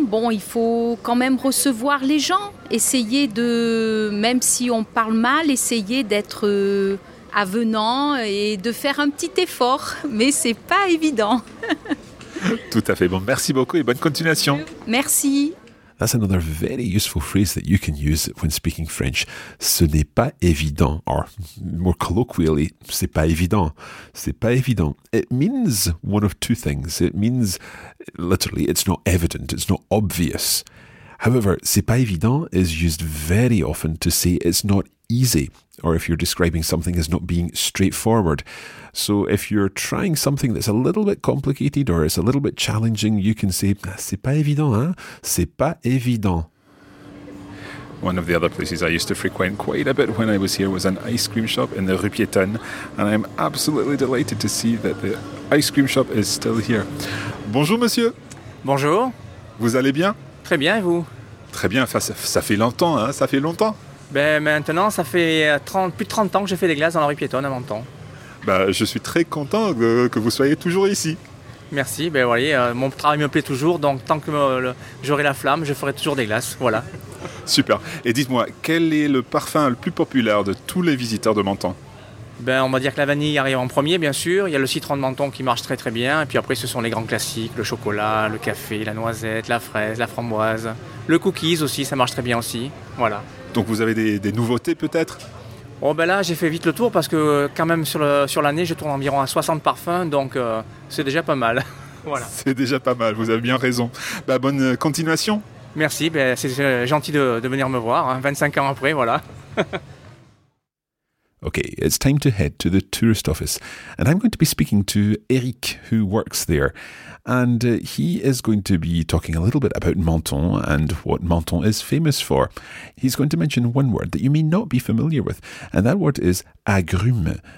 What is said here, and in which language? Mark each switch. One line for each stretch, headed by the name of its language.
French: Bon, il faut quand même recevoir les gens. Essayer de, même si on parle mal, essayer d'être avenant et de faire un petit effort. Mais ce n'est pas évident. Tout à fait. Bon, merci beaucoup et bonne continuation. Merci.
English: That's another very useful phrase that you can use when speaking French.
French: Ce n'est pas évident,
English: or more colloquially,
French: c'est pas évident. C'est pas évident.
English: It means one of two things. It means, literally, it's not evident, it's not obvious. However,
French: c'est pas évident
English: is used very often to say it's not easy, or if you're describing something as not being straightforward. So if you're trying something that's a little bit complicated or it's a little bit challenging, you can say,
French: c'est pas évident, hein? C'est pas évident.
English: One of the other places I used to frequent quite a bit when I was here was an ice cream shop in the Rue Piétonne, and I'm absolutely delighted to see that the ice cream shop is still here.
French: Bonjour, monsieur. Bonjour. Vous allez bien? Très bien, et vous? Très bien, ça fait longtemps, hein? Ça fait longtemps. Ben maintenant, ça fait plus de 30 ans que j'ai fait des glaces dans la Rue Piétonne à Menton. Ben, je suis très content que vous soyez toujours ici. Merci, ben voilà, mon travail me plaît toujours, donc tant que j'aurai la flamme, je ferai toujours des glaces, voilà. Super, et dites-moi, quel est le parfum le plus populaire de tous les visiteurs de Menton ? Ben, on va dire que la vanille arrive en premier, bien sûr, il y a le citron de Menton qui marche très très bien, et puis après ce sont les grands classiques, le chocolat, le café, la noisette, la fraise, la framboise, le cookies aussi, ça marche très bien aussi, voilà. Donc vous avez des nouveautés peut-être ? Oh ben là, j'ai fait vite le tour parce que quand même sur l'année, je tourne environ à 60 parfums, donc c'est déjà pas mal. Voilà. C'est déjà pas mal, vous avez bien raison. Ben, bonne continuation. Merci, ben, c'est gentil de venir me voir, hein, 25 ans après, voilà.
English: Okay, it's time to head to the tourist office. And I'm going to be speaking to Eric, who works there. And he is going to be talking a little bit about Menton and what Menton is famous for. He's going to mention one word that you may not be familiar with. And that word is agrume.